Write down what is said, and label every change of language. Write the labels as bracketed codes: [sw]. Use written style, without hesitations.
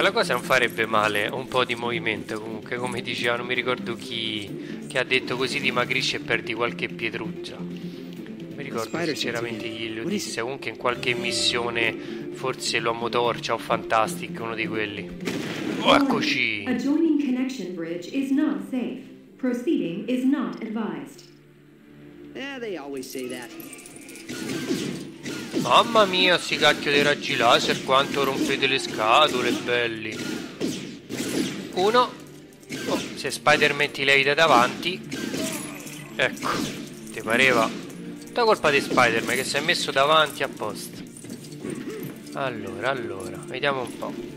[it] La cosa non farebbe male un po' di movimento. Comunque, come diceva, non mi ricordo chi che ha detto, così dimagrisci e perdi qualche pietruzza. Mi ricordo sinceramente chi lo disse, comunque in qualche missione, forse l'uomo torcia o Fantastic, uno di quelli. Oh, eccoci! [en] Adjoining connection bridge is not safe. Proceeding is not advised. Yeah, they always say that. [it] Mamma mia, si cacchio dei raggi laser, quanto rompete le scatole, belli. Uno. Oh, se Spider-Man ti levita davanti. Ecco, ti pareva. Tutta colpa di Spider-Man che si è messo davanti apposta. Allora, allora, vediamo un po'.